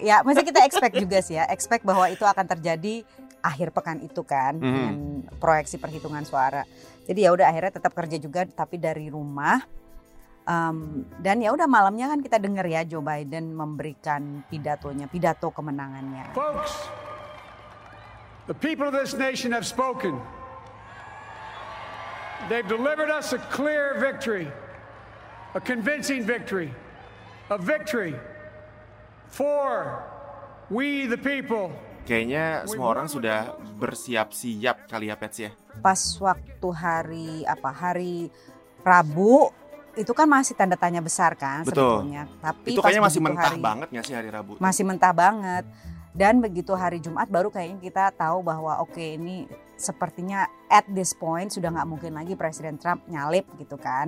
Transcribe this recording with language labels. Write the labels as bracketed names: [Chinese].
[Indonesian] Ya masih kita expect juga sih ya, expect bahwa itu akan terjadi akhir pekan itu kan, dengan proyeksi perhitungan suara. Jadi ya udah akhirnya tetap kerja juga tapi dari rumah. Dan ya udah malamnya kan kita dengar ya Joe Biden memberikan pidatonya, pidato kemenangannya. [English] Folks, the people of this nation have spoken. They've delivered us a clear victory. A convincing victory. A victory for we the people. [Indonesian] Kayaknya semua orang sudah bersiap-siap kali ya, Pets ya. Pas waktu hari Rabu itu kan masih tanda tanya besar kan. Betul. Sebetulnya. Tapi itu kayaknya masih mentah banget nggak sih hari Rabu? Masih mentah banget. Dan begitu hari Jumat baru kayaknya kita tahu bahwa oke, ini sepertinya [English] at this point [Indonesian] sudah nggak mungkin lagi Presiden Trump nyalip gitu kan.